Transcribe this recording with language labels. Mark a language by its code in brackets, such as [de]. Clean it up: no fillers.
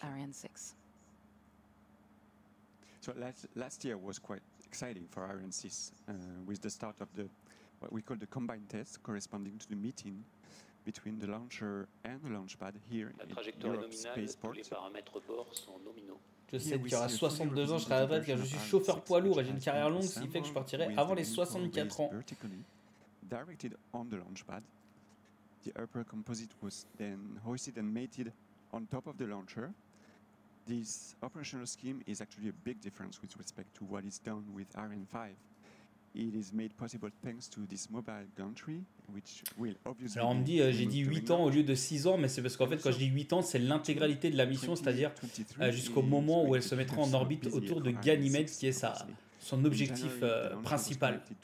[en] With Ariane 6? So last year was quite exciting for Ariane 6 with the start of the what we call the combined test corresponding to the meeting between the launcher and the launch pad here in Europe's spaceport. [fr] Les paramètres bord sont nominaux. Je sais qu'il y aura 62 ans, je serai à la retraite car je suis chauffeur poids lourd et j'ai une carrière longue, ce qui fait que je partirai avant les 64 ans. [en] This operational scheme is actually a big difference with respect to what is done with Ariane 5. It is made possible thanks to this mobile gantry, which will obviously. [fr] Alors on me dit, j'ai dit 8 ans au lieu de 6 ans, mais c'est parce qu'en fait, quand je dis 8 ans, c'est l'intégralité de la mission, c'est-à-dire jusqu'au moment où elle se mettra en orbite autour de Ganymède, qui est son objectif principal.